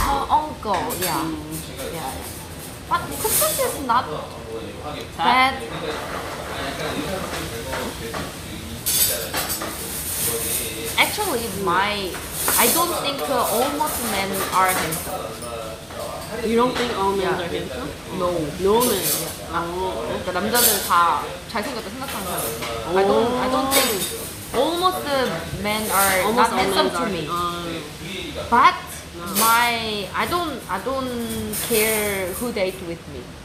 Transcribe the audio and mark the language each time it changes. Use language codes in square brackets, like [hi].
[en] Uncle, yeah. Yeah. But Kukuk is not bad. Actually, I don't think all Muslim men are handsome. You don't think all men are handsome? No. No men. Yeah. Oh. [ko] 그러니까 남자들 다 잘생겼다 생각하는 사람. [en] Oh. I don't think all Muslim men are not handsome to me. But I don't care who date with me.